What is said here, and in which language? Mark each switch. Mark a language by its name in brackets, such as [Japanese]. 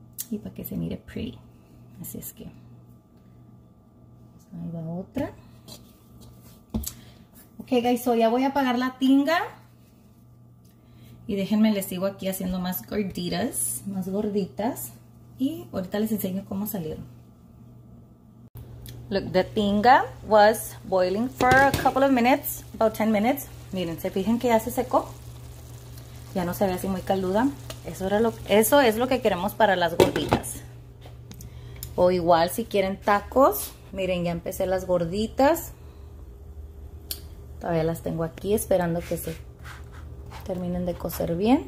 [Spanish] Y para que se mire [English] pretty. [Spanish] Así es que. Ahí va otra. [English] Ok, guys, so [Spanish] ya voy a apagar la tinga. Y déjenme, les sigo aquí haciendo más gorditas, más gorditas. Y ahorita les enseño cómo salieron. [English] Look, the tinga was boiling for a couple of minutes, about 10 minutes. [Spanish] Miren, se fijan que ya se secó. Ya no se ve así muy caluda. Eso es lo que queremos para las gorditas. O igual, si quieren tacos, miren, ya empecé las gorditas. Todavía las tengo aquí esperando que se terminen de cocer bien.